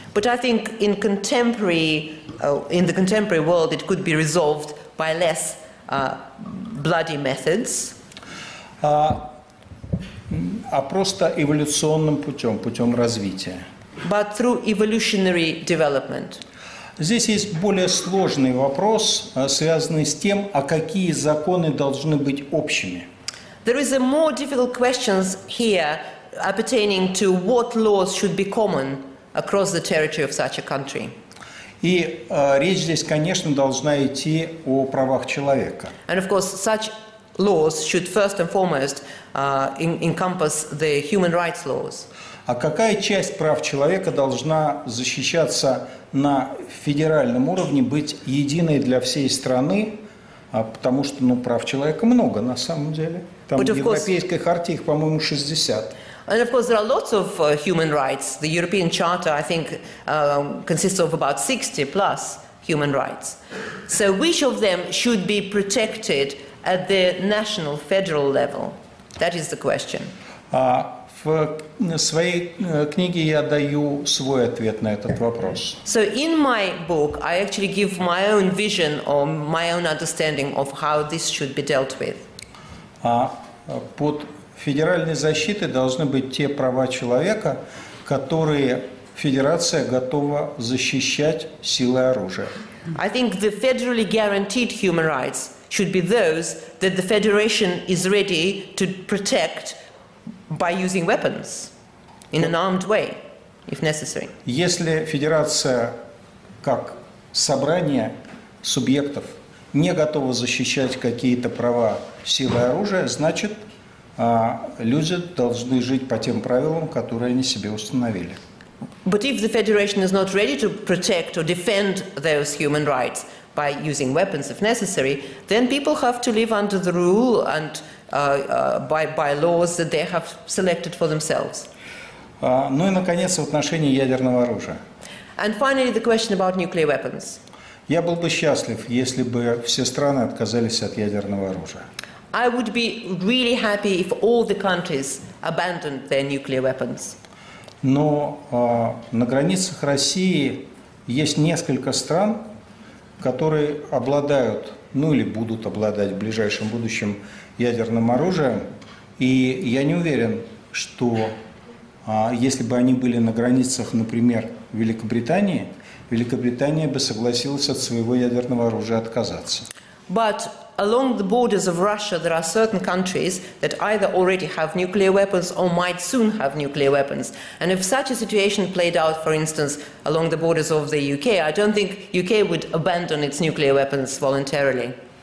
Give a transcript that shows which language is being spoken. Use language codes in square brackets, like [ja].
[en] But I think in contemporary, in the contemporary world, it could be resolved by less bloody methods. [ru] А просто эволюционным путем, путем развития. [en] But through evolutionary development. [ru] Здесь есть более сложный вопрос, связанный с тем, а какие законы должны быть общими. [en] There is a more difficult question here pertaining to what laws should be common across the territory of such a country. [ru] И речь здесь, конечно, должна идти о правах человека. [en] And of course, such laws should first and foremost encompass the human rights laws. [ru] А какая часть прав человека должна защищаться на федеральном уровне, быть единой для всей страны, потому что, ну, прав человека много на самом деле. Там в Европейской хартии их, по-моему, 60. [en] And of course there are lots of human rights. The European Charter, I think, consists of about 60 plus human rights. So which of them should be protected at the national, federal level? That is the question. [ru] В своей книге я даю свой ответ на этот вопрос. [en] So in my book I actually give my own vision or my own understanding of how this should be dealt with. [ru] А под федеральной защитой должны быть те права человека, которые федерация готова защищать силой оружия. [en] I think the federally guaranteed human rights should be those that the federation is ready to protect by using weapons in an armed way, if necessary. [ru] Если федерация как собрание субъектов не готова защищать какие-то права силой оружия, значит, люди должны жить по тем правилам, которые они себе установили. [en] But if the federation is not ready to protect or defend those human rights by using weapons if necessary, then people have to live under the rule and by laws that they have selected for themselves. [ru] Ну и наконец в отношении ядерного оружия. [en] And finally the question about nuclear weapons. [ru] Я был бы счастлив, если бы все страны отказались от ядерного оружия. [en] I would be really happy if all the countries abandoned their nuclear weapons. [ru] Но на границах России есть несколько стран, которые обладают, ну или будут обладать в ближайшем будущем ядерным оружием, и я не уверен, что если бы они были на границах, например, Великобритании, Великобритания бы согласилась от своего ядерного оружия отказаться. [en] But along the borders of Russia, there are certain countries that either already have nuclear weapons or might soon have nuclear weapons. And if such a situation played out, for instance, along the borders of the UK, I don't think UK would abandon its nuclear weapons voluntarily.